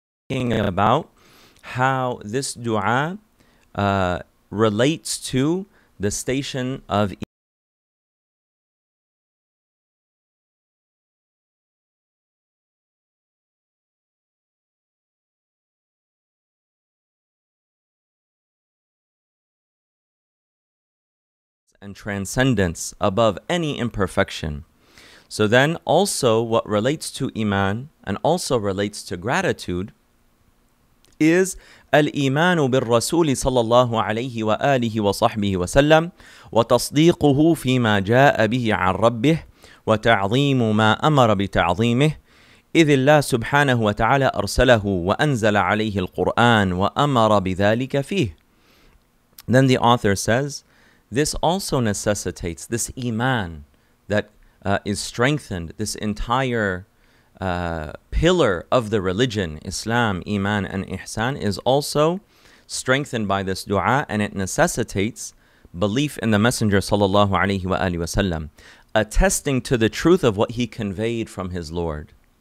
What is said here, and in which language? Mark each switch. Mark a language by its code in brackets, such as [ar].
[en] about how this dua relates to the station of and transcendence above any imperfection. So then also what relates to iman and also relates to gratitude is [ar] الإيمان بالرسول صلى الله عليه وآله وصحبه وسلم وتصديقه فيما جاء به عن ربه وتعظيم ما أمر بتعظيمه إذ الله سبحانه وتعالى أرسله وأنزل عليه القرآن وأمر بذلك فيه. [en] Then the author says, this also necessitates this iman that is strengthened, this entire pillar of the religion, Islam, Iman, and Ihsan, is also strengthened by this dua, and it necessitates belief in the Messenger sallallahu alayhi wa alihi wasallam, attesting to the truth of what he conveyed from his Lord.